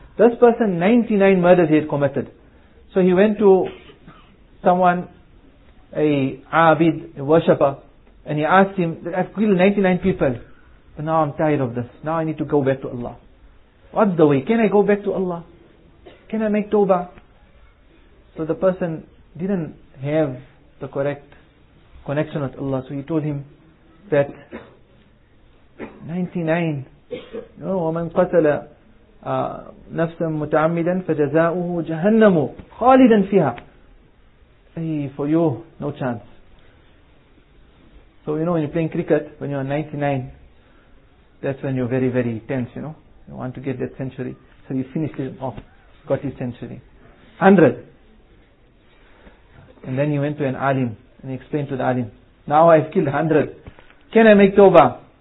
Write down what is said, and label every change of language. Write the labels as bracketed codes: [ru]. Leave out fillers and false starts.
[en] This person, 99 murders he had committed. So he went to someone, a abid, a worshipper, and he asked him, I've killed 99 people, but now I'm tired of this. Now I need to go back to Allah. What's the way? Can I go back to Allah? Can I make tawbah? So the person didn't have the correct connection with Allah. So he told him that 99, [ar] وَمَنْ قَتَلَ نَفْسًا مُتَعَمِّدًا فَجَزَاؤُهُ جَهَنَّمُ خَالِدًا فِيهَا. [en] Hey, for you, no chance. So you know when you're playing cricket, when you're 99, that's when you're very, very tense, you know. You want to get that century. So he finished it off, got his century. 100. And then he went to an alim and he explained to the alim, now I've killed 100. Can I make tawbah?